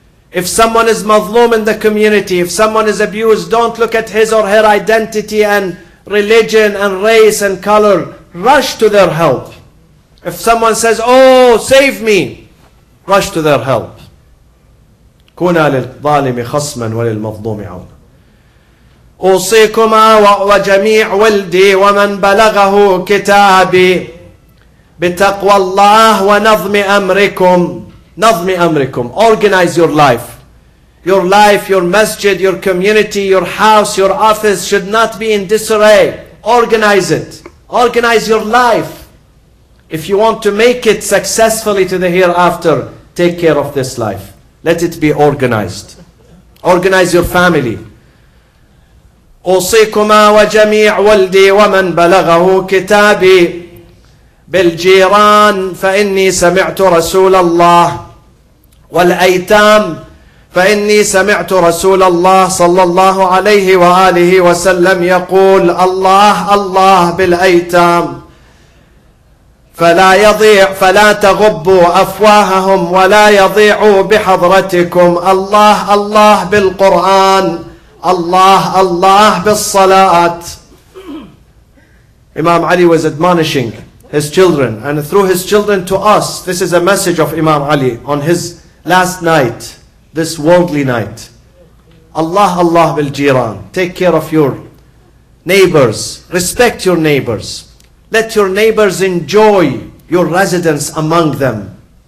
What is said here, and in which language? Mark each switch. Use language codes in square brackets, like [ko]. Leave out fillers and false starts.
[en] If someone is mazloom in the community, if someone is abused, don't look at his or her identity and religion and race and color. Rush to their help. If someone says, oh, save me, rush to their help. [ar] كُونَا لِلظَّالِمِ خَصْمًا وَلِلْمَظْلُومِ عَوْنًا. أوصيكما وجميع ولدي ومن بلغه كتابي بتقوى الله ونظم أمركم. نظم أمركم. [en] Organize your life. Your life, your masjid, your community, your house, your office should not be in disarray. Organize it. Organize your life. If you want to make it successfully to the hereafter, take care of this life. Let it be organized. Organize your family. [ar] أوصيكما وجميع ولدي ومن بلغه كتابي بالجيران فإني سمعت رسول الله والأيتام فإني سمعت رسول الله صلى الله عليه وآله وسلم يقول الله الله بالأيتام فلا يضيع فلا تغبوا أفواههم ولا يضيعوا بحضرتكم الله الله بالقرآن Allah, Allah, بالصلاات. [en] Imam Ali was admonishing his children, and through his children to us. This is a message of Imam Ali on his last night, this worldly night. Allah, Allah, بالجيران. Take care of your neighbors. Respect your neighbors. Let your neighbors enjoy your residence among them.